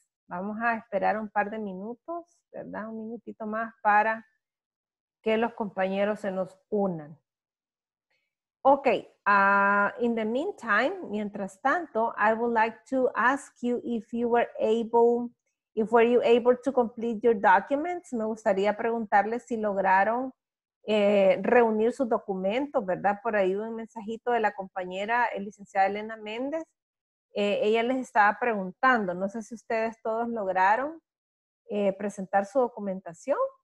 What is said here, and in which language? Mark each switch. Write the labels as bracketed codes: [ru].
[es] Vamos a esperar un par de minutos, ¿verdad? Un minutito más para que los compañeros se nos unan. [en] Okay, in the meantime, [es] mientras tanto, [en] I would like to ask you if you were able, if were you able to complete your documents. [es] Me gustaría preguntarles si lograron reunir sus documentos, ¿verdad? Por ahí un mensajito de la compañera, el licenciado Elena Méndez. Ella les estaba preguntando, no sé si ustedes todos lograron presentar su documentación.